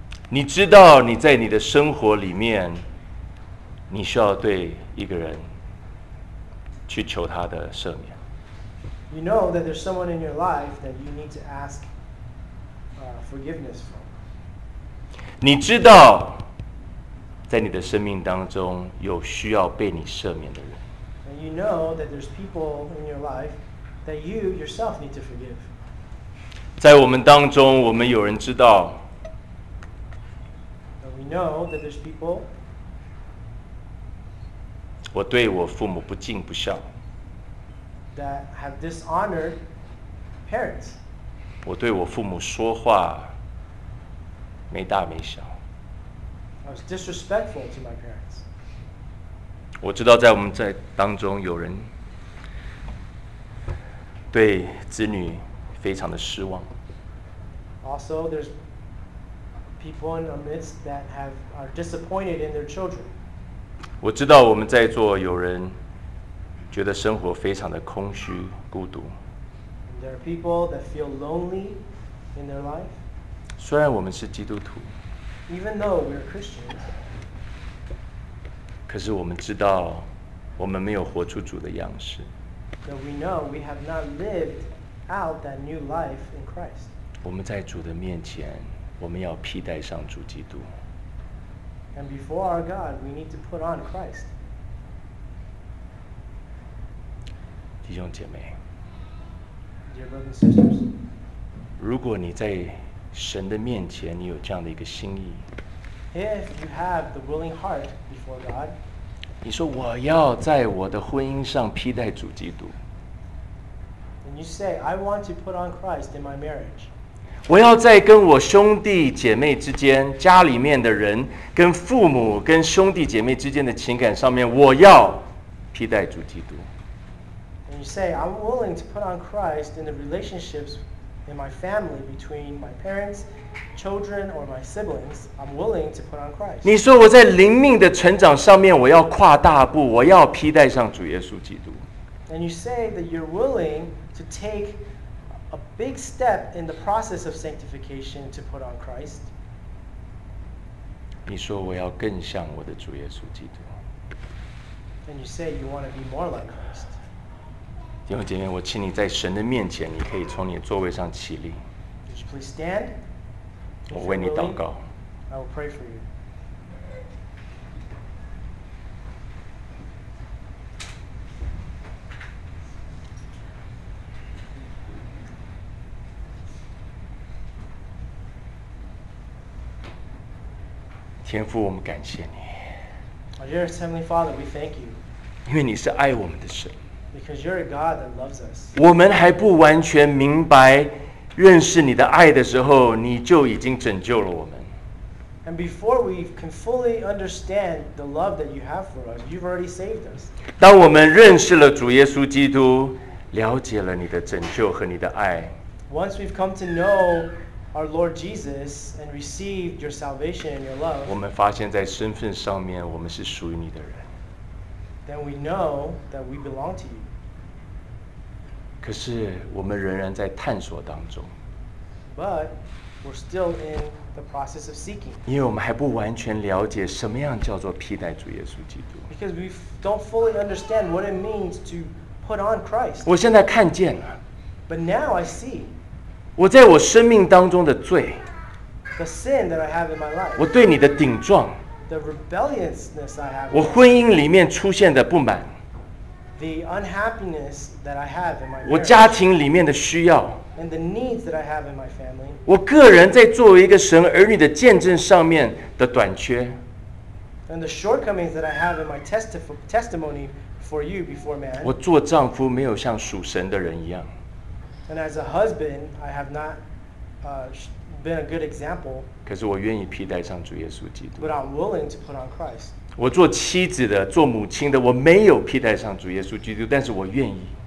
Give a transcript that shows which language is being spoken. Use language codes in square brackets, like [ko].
[zh] 你知道你在你的生活里面，你需要对一个人去求他的赦免。 [en] You know that there's someone in your life that you need to ask forgiveness from. [zh] 你知道在你的生命当中有需要被你赦免的人。 [en] And you know that there's people in your life that you yourself need to forgive. [zh] 在我们当中，我们有人知道。 [en] And we know that there's people. [zh] 我对我父母不敬不孝。 [en] That have dishonored parents. [zh] 我对我父母说话没大没小。 [en] I was disrespectful to my parents. [zh] 我知道在我们在当中有人对子女非常的失望。 [en] Also, there's people in our midst that are disappointed in their children. [zh] 我知道我们在座有人觉得生活非常的空虚孤独。 [en] There are people that feel lonely in their life. [zh] 虽然我们是基督徒。 [en] Even though we are Christians. [zh] 可是我们知道我们没有活出主的样式。 [en] That we know we have not lived out that new life in Christ. [zh] 我们在主的面前，我们要披戴上主基督。 [en] And before our God, we need to put on Christ. [zh] 弟兄姐妹 [en] Dear brothers and sisters, [zh] 如果你在神的面前你有这样的一个心意 [en] If you have the willing heart before God, [zh] 你说我要在我的婚姻上披戴主基督 [en] And you say, I want to put on Christ in my marriage. [zh] 我要在跟我兄弟姐妹之间，家里面的人，跟父母，跟兄弟姐妹之间的情感上面，我要披戴主基督。 [en] And you say, I'm willing to put on Christ in the relationships in my family between my parents, children, or my siblings. I'm willing to put on Christ. [zh] 你说我在灵命的成长上面，我要跨大步，我要披戴上主耶稣基督。 [en] And you say that you're willing to take. A big step in the process of sanctification to put on Christ. [zh] 你说我要更像我的主耶稣基督。 [en] And you say you want to be more like Christ. [zh] 弟兄姐妹，我请你在神的面前，你可以从你的座位上起立。 [en] Would you please stand? [zh] 我为你祷告。 [en] I will pray for you. [zh] 天父，我们感谢你。 [en] Our dearest Heavenly Father, we thank you. [zh] 因为你是爱我们的神。 [en] Because you're a God that loves us. [zh] 我们还不完全明白认识你的爱的时候，你就已经拯救了我们。 [en] And before we can fully understand the love that you have for us, you've already saved us. [zh] 当我们认识了主耶稣基督，了解了你的拯救和你的爱。 [en] Once we've come to know our Lord Jesus and received your salvation and your love, [zh] 我们发现在身份上面，我们是属于你的人。 [en] Then we know that we belong to you. [zh] 可是我们仍然在探索当中。 [en] But we're still in the process of seeking. [zh] 因为我们还不完全了解什么样叫做披戴主耶稣基督。 [en] Because we don't fully understand what it means to put on Christ. [zh] 我现在看见了。 [en] But now I see. [zh] 我在我生命当中的罪。 [en] The sin that I have in my life. [zh] 我对你的顶撞。 [en] The rebelliousness I have. [zh] 我婚姻里面出现的不满。 [en] The unhappiness that I have in my marriage. [zh] 我家庭里面的需要。 [en] And the needs that I have in my family. [zh] 我个人在作为一个神儿女的见证上面的短缺。 [en] And the shortcomings that I have in my testimony for you before man. [zh] 我做丈夫没有像属神的人一样。 [en] And as a husband, I have not been a good example. [zh] 可是我愿意披戴上主耶稣基督。 [en] But I'm willing to put on Christ. [zh] 我做妻子的，做母亲的，我没有披戴上主耶稣基督，但是我愿意。